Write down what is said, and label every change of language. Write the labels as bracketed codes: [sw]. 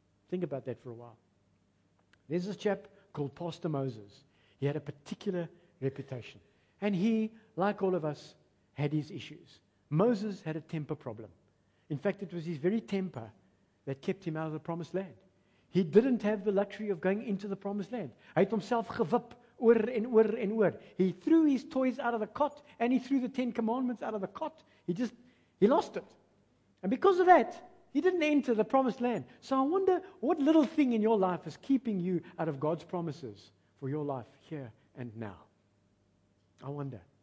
[en] Think about that for a while. There's this chap called Pastor Moses. He had a particular reputation. And he, like all of us, had his issues. Moses had a temper problem. In fact, it was his very temper that kept him out of the promised land. He didn't have the luxury of going into the promised land. [af] Hy het homself gewip oor en oor en oor. [en] He threw his toys out of the cot and he threw the Ten Commandments out of the cot. He lost it. And because of that, he didn't enter the promised land. So I wonder what little thing in your life is keeping you out of God's promises for your life here and now. I wonder.